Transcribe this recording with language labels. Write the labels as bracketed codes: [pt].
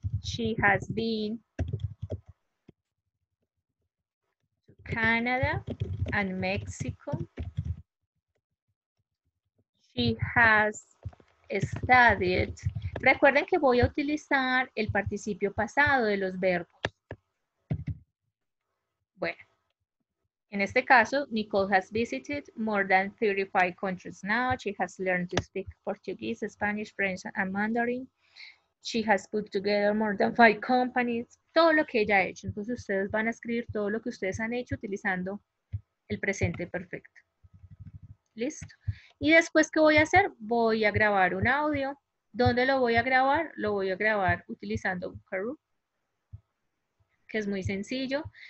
[en] She has been to Canada and Mexico. She has studied. [es] Recuerden que voy a utilizar el participio pasado de los verbos. Bueno, En este caso, [en] Nicole has visited more than 35 countries now. She has learned to speak Portuguese, Spanish, French, and Mandarin. She has put together more than 5 companies. [es] Todo lo que ella ha hecho. Entonces, ustedes van a escribir todo lo que ustedes han hecho utilizando el presente perfecto. ¿Listo? Y después, ¿qué voy a hacer? Voy a grabar un audio. ¿Dónde lo voy a grabar? Lo voy a grabar utilizando Bookaroo, que es muy sencillo.